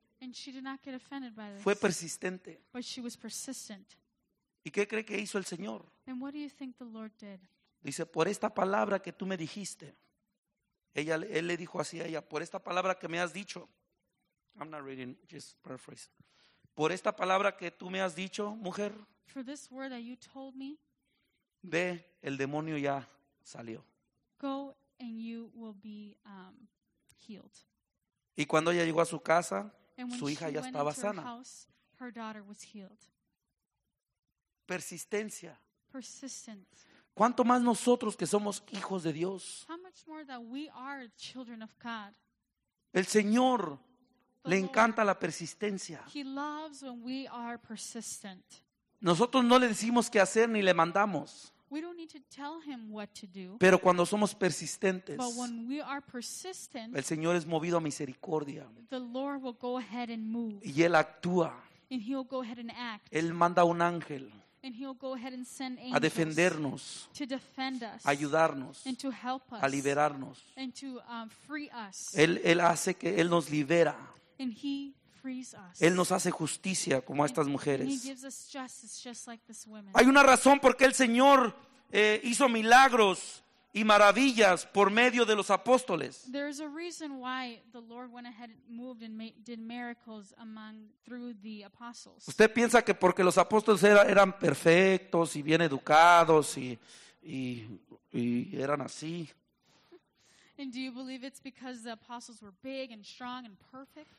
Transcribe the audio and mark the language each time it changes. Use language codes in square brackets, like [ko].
[en] And she did not get offended by this. [es] Fue persistente. [en] But she was persistent. [es] ¿Y qué cree que hizo el Señor? [en] And what do you think the Lord did? [es] Dice, por esta palabra que tú me dijiste. Él le dijo así a ella, por esta palabra que me has dicho. [en] I'm not reading, just paraphrase. [es] Por esta palabra que tú me has dicho, mujer. [en] For this word that you told me. [es] Ve, el demonio ya salió. [en] Go and you will be healed. [es] Y cuando ella llegó a su casa, su hija ya estaba sana. [en] Her daughter was healed. [es] Persistencia. [en] Persistence. [es] ¿Cuánto más nosotros que somos hijos de Dios? [en] How much more that we are children of God. [es] El Señor le encanta la persistencia. [en] He loves when we are persistent. [es] Nosotros no le decimos qué hacer ni le mandamos. [en] We don't need to tell him what to do. [es] Pero cuando somos persistentes, [en] but when we are persistent, [es] el Señor es movido a misericordia. [en] The Lord will go ahead and move. [es] Y él actúa. [en] And he'll go ahead and act. [es] Él manda un ángel. [en] And he'll go ahead and send angels [es] a defendernos, [en] to defend us, [es] ayudarnos, [en] and to help us, [es] a liberarnos, [en] and to free us. [es] Él hace que él nos libera. [en] And he frees us. [es] Él nos hace justicia como [en] and, [es] a estas mujeres. [en] And he gives us justice just like this woman. [es] Hay una razón por qué el Señor hizo milagros y maravillas por medio de los apóstoles. [en] There is a reason why the Lord went ahead and moved and did miracles through the apostles. [es] ¿Usted piensa que porque los apóstoles eran perfectos y bien educados y eran así? [en] And do you believe it's because the apostles were big and strong and perfect?